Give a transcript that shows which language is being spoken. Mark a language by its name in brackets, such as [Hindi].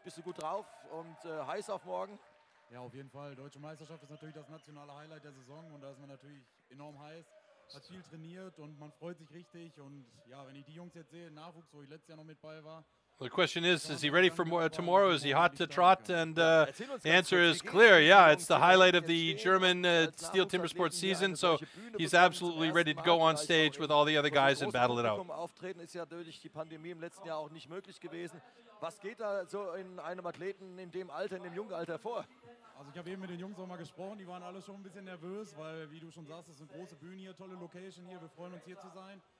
[German] Bist du gut drauf und heiß auf morgen? Ja, auf jeden Fall. Deutsche Meisterschaft ist natürlich das nationale Highlight der Saison und da ist man natürlich enorm heiß, hat viel trainiert und man freut sich richtig. Und ja, wenn ich die Jungs jetzt sehe, Nachwuchs, wo ich letztes Jahr noch mit bei war. [English] The question is he ready for tomorrow? Is he hot to trot? And the answer is clear. Yeah, it's the highlight of the German STIHL TIMBERSPORTS season. So he's absolutely ready to go on stage with all the other guys and battle it out. [German] Auftreten ist ja durch die Pandemie im letzten Jahr auch nicht möglich gewesen. Was geht da so in einem Athleten in dem Alter, in dem jungen Alter vor? Also ich habe eben mit den Jungs auch mal gesprochen, die waren alle schon ein bisschen nervös, weil, wie du schon sagst, es ist eine große Bühne hier, tolle Location hier, wir freuen uns hier zu sein.